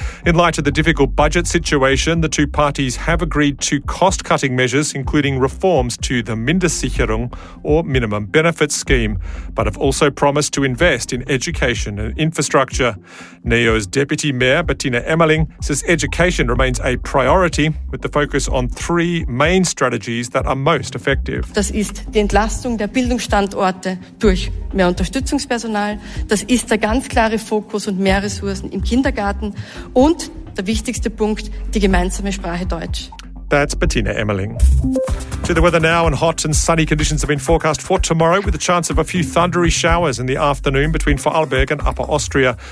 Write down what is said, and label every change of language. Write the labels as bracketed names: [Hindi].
[English] In light of the difficult budget situation, the two parties have agreed to cost-cutting measures, including reforms to the Mindestsicherung, or minimum benefits scheme, but have also promised to invest in education and infrastructure. NEOS Deputy Mayor Bettina Emmerling says education remains a priority, with the focus on 3 main strategies that are most effective. [German] Das ist die Entlastung der Bildungsstandorte durch mehr Unterstützungspersonal. Das ist der ganz klare Fokus und mehr Ressourcen im Kindergarten. Und der wichtigste Punkt, die gemeinsame Sprache Deutsch. [English] That's Bettina Emmerling. To the weather now, and hot and sunny conditions have been forecast for tomorrow with a chance of a few thundery showers in the afternoon between Vorarlberg and Upper Austria.